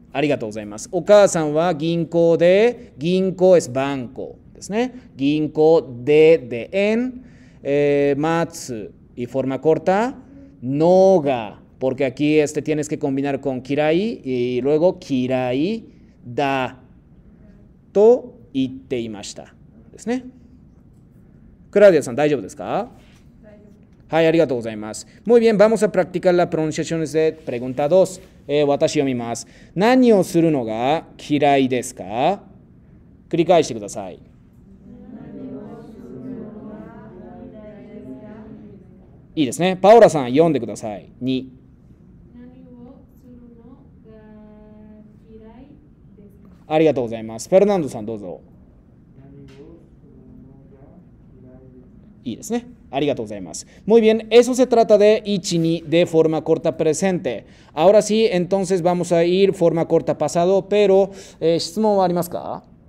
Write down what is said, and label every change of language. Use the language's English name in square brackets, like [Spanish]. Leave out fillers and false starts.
[Japanese] ありがとうございます。お母さんは銀行で、銀行 [Spanish] es banco [Japanese] ですね。銀行で、で、 [Spanish] en、待つ、y forma corta、 [Japanese] のが、 [Spanish] porque aquí tienes que combinar con kirai, y luego kirai da, [Japanese] と言っていました。ですね。クラウディアさん、大丈夫ですか？はい、ありがとうございます。 [Spanish] Muy bien, vamos a practicar las pronunciaciones de pregunta 2. [Japanese] 私読みます。何をするのが嫌いですか？繰り返してください。いいですね。パオラさん、読んでください。 2。何をするのが嫌いですか？ありがとうございます。フェルナンドさん、どうぞ。いいですね。ありがとうございます。 [Spanish] Muy bien, eso se trata de ichini de forma corta presente. Ahora sí, entonces vamos a ir forma corta pasado, pero [Japanese] 質問はありますか？